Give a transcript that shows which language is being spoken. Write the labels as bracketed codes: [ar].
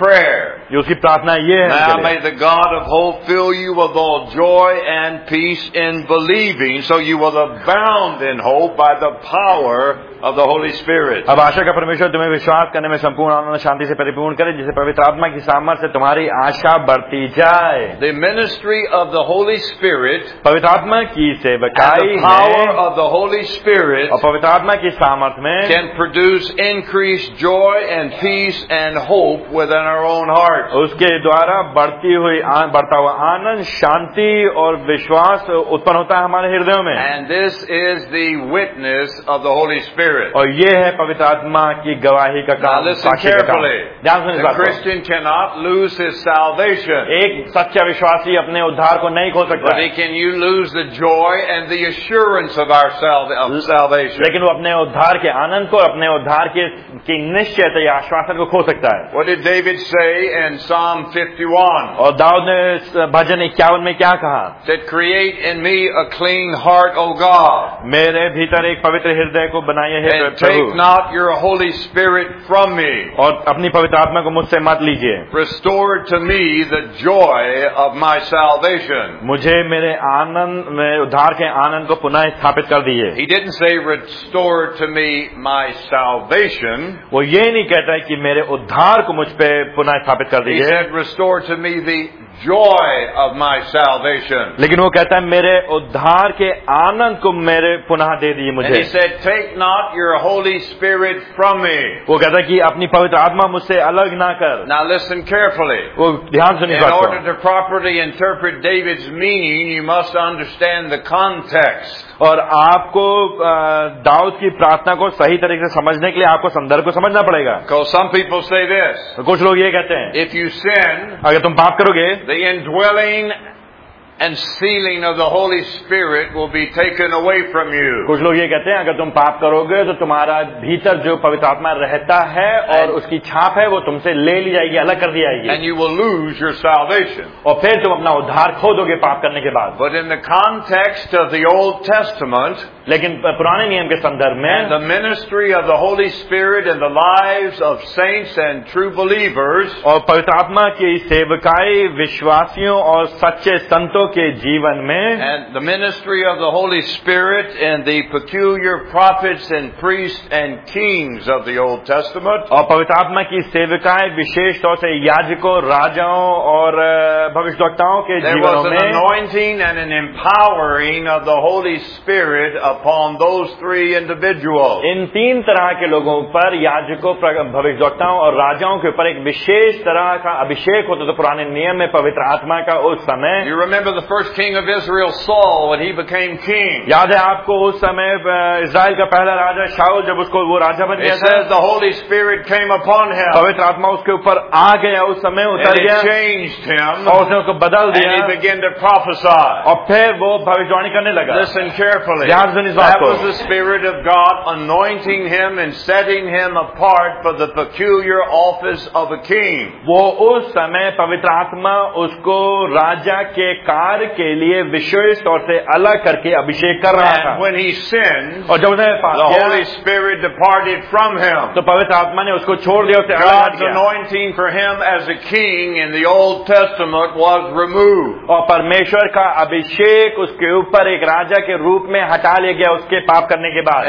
[en] Prayer. [hi] उसकी प्रार्थना ये है. [en] Now may the God of hope fill you with all joy and peace in believing, so you will abound in hope by the power of the Holy Spirit. [hi] अब आशा का परमेश्वर तुम्हें विश्वास करने में संपूर्ण आनंद शांति से परिपूर्ण करे, जिसे पवित्र आत्मा की सामर्थ्य से तुम्हारी आशा बढ़ती जाए. [en] The ministry of the Holy Spirit, [hi] पवित्र आत्मा की सेवकाई है, [en] and the power of the Holy Spirit, [hi] और पवित्र आत्मा की सामर्थ्य में, [en] can produce increased joy and peace and hope within our own heart. [hi] उसके द्वारा बढ़ता हुआ आनंद, शांति और विश्वास उत्पन्न होता है हमारे हृदयों में. [en] And this is the witness of the Holy Spirit. [hi] और ये है पवित्र आत्मा की गवाही का काम, साक्षी का काम. ध्यान से सुनिए. [en] Christian can not lose his salvation. [hi] एक सच्चा विश्वासी अपने उद्धार को नहीं खो सकता. [en] But he can you lose the joy and the assurance of our salvation. [hi] लेकिन वो अपने उद्धार के आनंद को, अपने उद्धार के निश्चयता या आश्वासन को खो सकता है. [en] What did David say in Psalm 51? [hi] और दाऊद ने भजन 51 में क्या कहा? [en] That create in me a clean heart O God. [hi] मेरे भीतर एक पवित्र हृदय को बना. [en] And take not your Holy Spirit from me. [hi] और अपनी पवित्र आत्मा को मुझसे मत लीजिए. [en] Restore to me the joy of my salvation. [hi] मुझे मेरे आनंद, उद्धार के आनंद को पुनः स्थापित कर दीजिए. [en] He didn't say restore to me my salvation. [hi] वो ये नहीं कहता है कि मेरे उद्धार को मुझ पे पुनः स्थापित कर दीजिए. [en] He said restore to me the joy of my salvation. [hi] लेकिन वो कहता है मेरे उद्धार के आनंद को मेरे पुनः दे दिए मुझे. [en] And he said, take not your Holy Spirit from me. [hi] वो कहता है कि अपनी पवित्र आत्मा मुझसे अलग ना कर. [en] Now listen carefully. [hi] वो ध्यान से सुनिए. [en] In order to properly interpret David's meaning, you must understand the context. [hi] और आपको दाऊद की प्रार्थना को सही तरीके से समझने के लिए आपको संदर्भ को समझना पड़ेगा. [en] Because some people say this. [hi] कुछ लोग ये कहते हैं. [en] If you sin, [hi] अगर तुम पाप करोगे, [en] the indwelling and sealing of the Holy Spirit will be taken away from you. [hi] कुछ लोग ये कहते हैं अगर तुम पाप करोगे तो तुम्हारा भीतर जो पवित्र आत्मा रहता है और उसकी छाप है वो तुमसे ले ली जाएगी, अलग कर दी जाएगी. [en] And you will lose your salvation. [hi] और फिर तुम अपना उद्धार खो दोगे पाप करने के बाद. [en] But in the context of the Old Testament, [hi] लेकिन पुराने नियम के संदर्भ में, [en] and the ministry of the Holy Spirit in the lives of saints and true believers, [hi] और पवित्र आत्मा की सेवकाई विश्वासियों और सच्चे संतों के जीवन में, [en] and the ministry of the Holy Spirit in the peculiar prophets and priests and kings of the Old Testament, [hi] और पवित्र आत्मा की सेवकाई विशेष तौर से याजकों, राजाओं और भविष्यद्वक्ताओं के जीवन में, [en] there was an anointing and an empowering of the Holy Spirit upon those three individuals. [hi] इन तीन तरह के लोगों पर, याजकों, भविष्यद्वक्ताओं और राजाओं के ऊपर एक विशेष तरह का अभिषेक होता था पुराने नियम में पवित्र आत्मा का उस समय. [en] You remember the first king of Israel, Saul, when he became king. [hi] याद है आपको उस समय इज़राइल का पहला राजा शाऊल जब उसको वो राजा बन गया. [en] It says the Holy Spirit came upon him. [hi] पवित्र आत्मा उसके ऊपर आ गया उस समय, उतर गया. [en] And it changed him. [hi] और उसने उसको बदल दिया. [en] And he began to prophesy. [hi] और फिर वो भविष्यवाणी करने लगा. [en] Listen carefully. That was the Spirit of God anointing him and setting him apart for the peculiar office of a king. [hi] वो उस समय पवित्र आत्मा उसको राजा के कार्य के लिए विशेष तौर से अलग करके अभिषेक कर रहा था. [en] And when he sinned, [hi] और जब उसने पाप किया, [en] the Holy Spirit departed from him. [hi] तो पवित्र आत्मा ने उसको छोड़ दिया, उसे अलग किया. [en] God's anointing for him as a king in the Old Testament was removed. [hi] और परमेश्वर का अभिषेक उसके ऊपर एक राजा के रूप में हटा लिया गया उसके पाप करने के बाद.